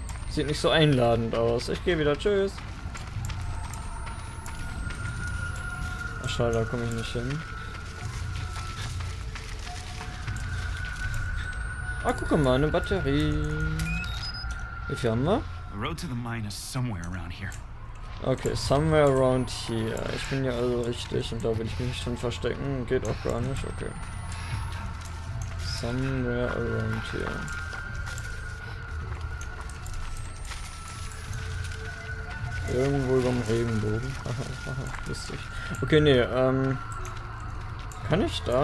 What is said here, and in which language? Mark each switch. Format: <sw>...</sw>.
<de>Sieht nicht so einladend aus. Ich gehe wieder, tschüss. Ach schade, da komme ich nicht hin. Ah, guck mal, eine Batterie. Wie viel haben wir?</de> <en>The road to the mine is somewhere around here. Okay, somewhere around here.</en> <de>Ich bin ja also richtig und da will ich mich schon verstecken. Geht auch gar nicht, okay.</de> <en>Somewhere around here.</en> <de>Irgendwo über dem Regenbogen. Haha, lustig. Okay, nee, kann ich da?</de>